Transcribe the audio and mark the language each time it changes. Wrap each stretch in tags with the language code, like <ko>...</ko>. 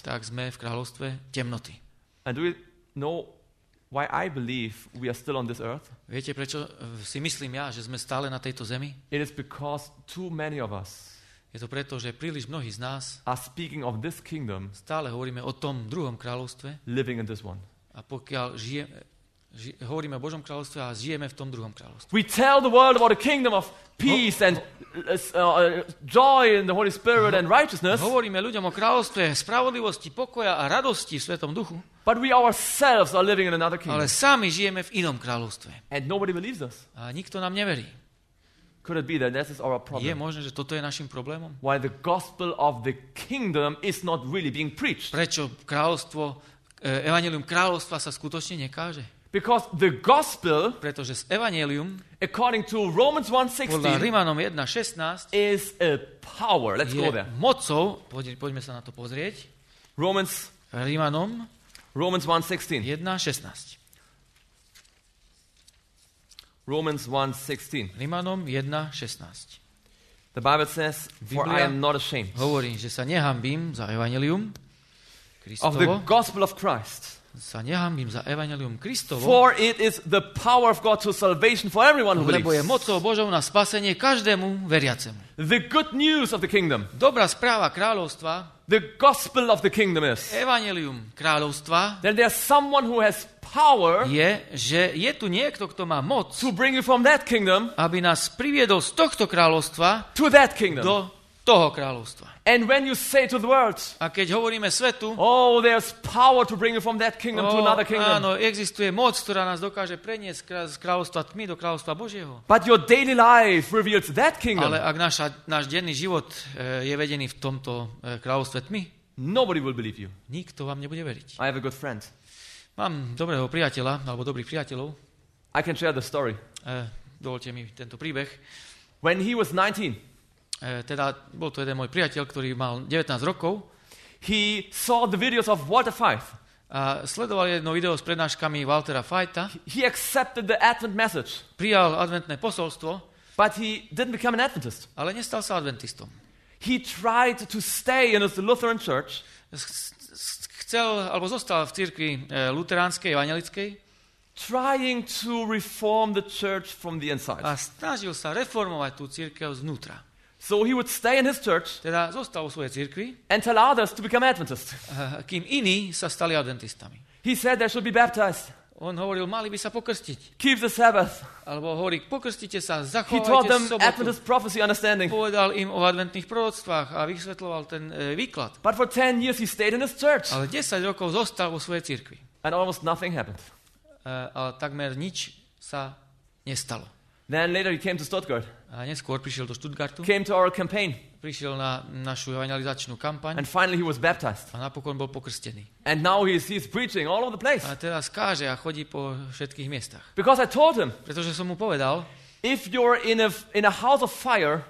<sk>tak sme v kráľovstve temnoty.</sk> <en>And do we know why I believe we are still on this earth?</en> <sk>Viete, prečo si myslím ja, že sme stále na tejto zemi?</sk> <en>It is because too many of us,</en> <sk>je to preto, že príliš mnohí z nás,</sk> <en>are speaking of this kingdom,</en> <sk>stále hovoríme o tom druhom kráľovstve,</sk> <en>living in this one.</en> <sk>A pokiaľ žijeme, hovoríme o Božom kráľovstve a žijeme v tom druhom kráľovstve.</sk> <en>We tell the world about the kingdom of peace and joy in the Holy Spirit and righteousness.</en> <sk>Hovoríme ľuďom o kráľovstve spravodlivosti, pokoja a radosti v Svätom Duchu.</sk> <en>But we ourselves are living in another kingdom.</en> <sk>Ale sami žijeme v inom kráľovstve.</sk> <en>And nobody believes us.</en> <sk>A nikto nám neverí.</sk> <en>Could it be that this is our problem?</en> <sk>Je možné, že toto je našim problémom?</sk> <en>Why the gospel of the kingdom is not really being preached?</en> <sk>Prečo kráľovstvo, evanjelium kráľovstva sa skutočne nekáže?</sk> <en>Because the gospel,</en> <sk>pretože evanjelium,</sk> <en>according to Romans 1:16,</en> <sk>podľa Rimanom 1:16,</sk> <en>is a power. Let's go there.</en> <sk>Mocou, poďme sa na to pozrieť.</sk> <en>Romans,</en> <sk>Rimanom,</sk> <en>Romans 1:16.</en> <sk>1:16.</sk> <en>Romans 1:16.</en> <sk>Rimanom 1:16.</sk> <en>The Bible says, for I am not ashamed.</en> <sk>Hovorím, že sa nehanbím za evanjelium Kristovo.</sk> <en>Of the gospel of Christ.</en> <sk>Sa nehanbím za evanjelium Kristovo.</sk> <en>For it is the power of God to salvation for everyone who believes.</en> <sk>Lebo je mocou Božou na spasenie každému veriacemu.</sk> <en>The good news of the kingdom.</en> <sk>Dobrá správa kráľovstva.</sk> <en>The gospel of the kingdom is.</en> <sk>Evanjelium kráľovstva.</sk> <en>That there is someone who has power.</en> <sk>Je, že je tu niekto, kto má moc.</sk> <en>To bring you from that kingdom.</en> <sk>Aby nás priviedol z tohto kráľovstva.</sk> <en>To that kingdom.</en> <sk>Do toho kráľovstva.</sk> <en>And when you say to the world,</en> <sk>a keď hovoríme svetu,</sk> <en>oh, there's power to bring you from that kingdom, oh, to another kingdom.</en> <sk>Áno, existuje moc, ktorá nás dokáže preniesť z kráľovstva tmy do kráľovstva Božieho.</sk> <en>But your daily life reveals that kingdom.</en> <sk>Ale ak náš denný život je vedený v tomto kráľovstve tmy,</sk> <en>nobody will believe you.</en> <sk>Nikto vám nebude veriť.</sk> <en>I have a good friend.</en> <sk>Mám dobrého priateľa, alebo dobrých priateľov.</sk> <en>I can share the story.</en> <sk>Dovolte mi tento príbeh.</sk> <en>When he was 19,</en> <sk>teda bol to jeden môj priateľ, ktorý mal 19 rokov.</sk> <en>He saw the videos of Walter Fife.</en> <sk>A sledoval jedno video s prednáškami Waltera Fajta.</sk> <en>He accepted the advent message.</en> <sk>Prijal adventné posolstvo.</sk> <en>But he didn't become an Adventist.</en> <sk>Ale nestal sa adventistom.</sk> <en>He tried to stay in his Lutheran church.</en> <sk>Chcel alebo zostal v cirkvi luteránskej evangelickej.</sk> <en>Trying to reform the church from the inside.</en> <sk>A snažil sa reformovať tú cirkev znútra.</sk> <en>So he would stay in his church,</en> <sk>teda zostal vo svojej cirkvi,</sk> <en>and tell others to become Adventists.</en> <sk>Kým iní sa stali adventistami.</sk> <en>He said they should be baptized.</en> <sk>On hovoril, mali by sa pokrstiť.</sk> <en>Keep the Sabbath.</en> <sk>Alebo hovorí, pokrstite sa, zachovajte sobotu.</sk> <en>He taught them Adventist prophecy understanding.</en> <sk>Povedal im o adventných proroctvách a vysvetloval ten výklad.</sk> <en>But for 10 years he stayed in his church.</en> <sk>Ale 10 rokov zostal vo svojej cirkvi.</sk> <en>And almost nothing happened.</en> <sk>Ale takmer nič sa nestalo.</sk> <en>Then later he came to Stuttgart.</en> <sk>A neskôr prišiel do Stuttgartu.</sk> <en>Came to our campaign.</en> <sk>Prišiel na našu evangelizačnú kampaň.</sk> <en>And finally he was baptized.</en> <sk>A napokon bol pokrstený.</sk> <en>And now he's preaching all over the place.</en> <sk>A teraz káže a chodí po všetkých miestach.</sk> <en>Because I told him.</en> <sk>Pretože som mu povedal.</sk> <en>If you're in a house of fire.</en>